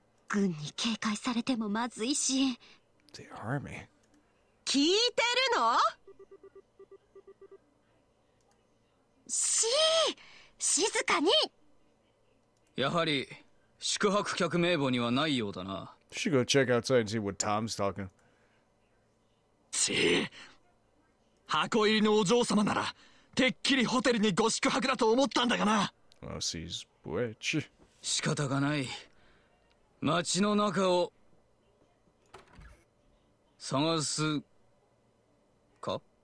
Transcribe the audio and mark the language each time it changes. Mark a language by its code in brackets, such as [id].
[ja] 軍に警戒されてもまずいし。 [en] The army. [ja] 聞いてるの？し、静かに。やはり宿泊客名簿にはないようだな。 [en] You should go check outside and see what Tom's talking. [ja] ち、箱入りのお嬢様ならてっきりホテルにご宿泊だと思ったんだがな。 [en] Well, she's witch. [ja] 仕方がない。街の中を探すか？